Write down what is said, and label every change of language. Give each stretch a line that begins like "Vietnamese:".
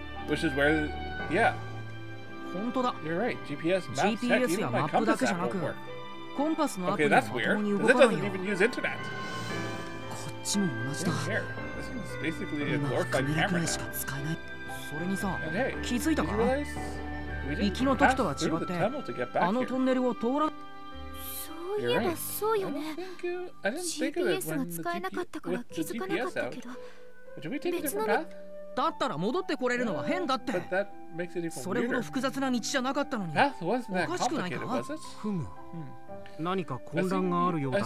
English: which is where, yeah.
Japanese: 本当だ。
English: You're right. GPS maps even my compass app won't work.
Japanese: コンパスのアプリは本当に動かないよ。
English: Okay, that's weird. This doesn't even use internet.
Japanese: こっちも同じだ。
English: This is basically a glorified camera.
Japanese: 今カメラくらいしか使えない。それにさ、気づいたか？
English: Did you realize? We didn't pass through the tunnel to get back here.
Japanese: あのトンネルを通ら。そういえばそうよね。 GPS が使えなかったから気づかなかったけど。
English: Did we take a different path?
Japanese: だったら戻ってこれるのは変だって。
English: But that makes it even weirder.
Japanese: それほど複雑な道じゃなかったのに。
English: Path wasn't that complicated, was it?
Japanese: ふむ。何か混乱があるようだな。